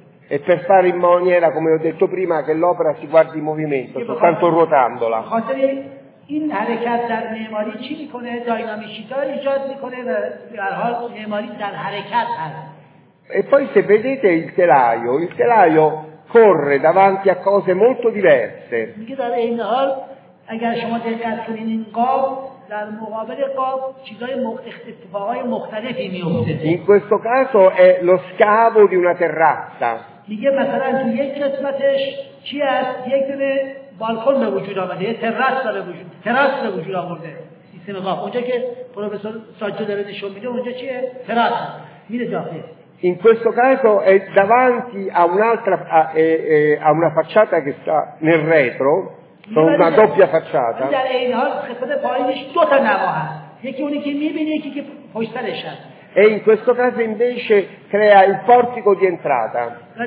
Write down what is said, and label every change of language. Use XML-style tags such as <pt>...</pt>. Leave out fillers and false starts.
<it>E per fare in maniera, come ho detto prima, che l'opera si guardi in movimento, soltanto ruotandola.</it> <fa>این حرکت در معماری چی میکنه؟ داینامیشیتا ایجاد میکنه و در حال معماری در حرکت هست.</fa> <it>E poi se vedete il telaio corre davanti a cose molto diverse.</it> <fa>میگه در این حال اگر شما دقت کنین این قاب در مقابل قاب چیزای اتفاقای مختلفی میفته.</fa> <it>In questo caso è lo scavo di una terrazza.</it> <fa>میگه مثلا تو یک قسمتش چی هست؟ یک دونه بالکن به وجود آمده، یه تراس به وجود آورده سیستم قاب. اونجا که پروفسور ساجد داره نشون میده اونجا چیه؟ تراس میره داخل.</fa> <it>In questo caso è davanti a un'altra a una facciata che sta nel retro, sono una doppia facciata. Dal in alto che poi ci sono due navate,</it> <fa>یکی اونی که میبینی یکی که پشت سرش هست.</fa> <it>e in questo caso invece crea il portico di entrata.</it>